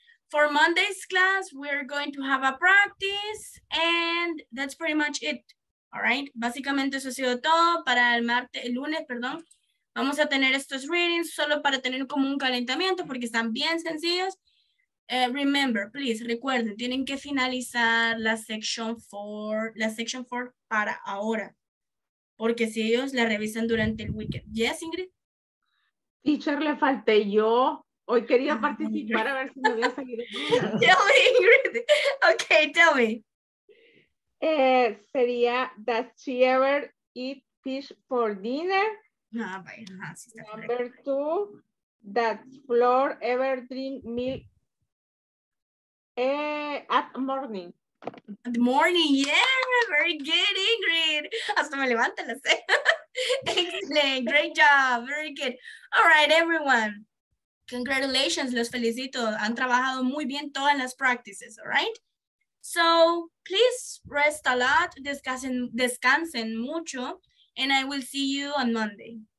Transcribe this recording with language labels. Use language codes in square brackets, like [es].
[en] For Monday's class, we're going to have a practice, and that's pretty much it. All right. [es] Básicamente eso ha sido todo para el martes, el lunes, perdón. Vamos a tener estos readings solo para tener como un calentamiento porque están bien sencillos. [en] Remember, please, [es] recuerden, tienen que finalizar la section 4, la section 4 para ahora. Porque si ellos la revisan durante el weekend. [en] Yes, Ingrid. [es] Teacher, le falté yo. Hoy quería participar a ver si me voy a seguir. [en] Tell me, Ingrid. Okay, tell me. [es] Sería, [en] does she ever eat fish for dinner? No, number two, does Flor ever drink milk at morning? At morning, yeah, very good, Ingrid. [es] Hasta me levanté, lo sé. [en] Excellent, great job, very good. All right, everyone. Congratulations, [es] los felicito. Han trabajado muy bien todas las practices, all right? [en] So please rest a lot, [es] descansen mucho, [en] and I will see you on Monday.